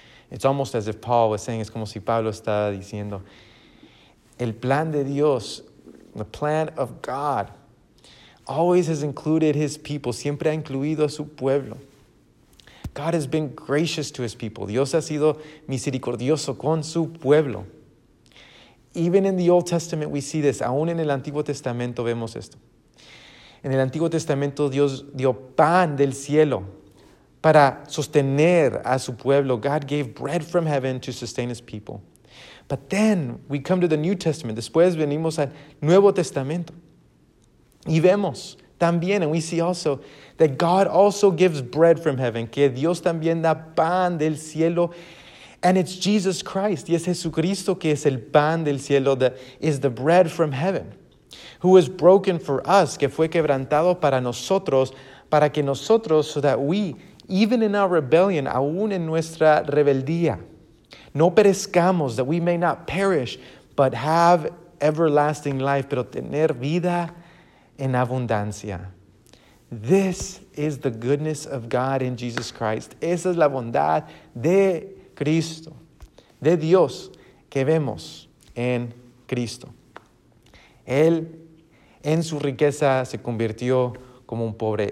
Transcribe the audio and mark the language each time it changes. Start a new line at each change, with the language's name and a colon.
English: It's almost as if Paul was saying,
Spanish: es como si Pablo está diciendo, el plan de Dios,
English: the plan of God, always has included his people.
Spanish: Siempre ha incluido a su pueblo.
English: God has been gracious to his people.
Spanish: Dios ha sido misericordioso con su pueblo.
English: Even in the Old Testament, we see this.
Spanish: Aún en el Antiguo Testamento vemos esto. En el Antiguo Testamento, Dios dio pan del cielo para sostener a su pueblo.
English: God gave bread from heaven to sustain his people. But then we come to the New Testament.
Spanish: Después venimos al Nuevo Testamento. Y vemos también,
English: and we see also, that God also gives bread from heaven,
Spanish: que Dios también da pan del cielo,
English: and it's Jesus Christ,
Spanish: y es Jesucristo que es el pan del cielo,
English: that is the bread from heaven, who was broken for us,
Spanish: que fue quebrantado para nosotros, para que nosotros,
English: so that we, even in our rebellion,
Spanish: aún en nuestra rebeldía, no perezcamos,
English: that we may not perish, but have everlasting life,
Spanish: pero tener vida en abundancia.
English: This is the goodness of God in Jesus Christ.
Spanish: Esa es la bondad de Cristo, de Dios, que vemos en Cristo. Él, en su riqueza, se convirtió como un pobre.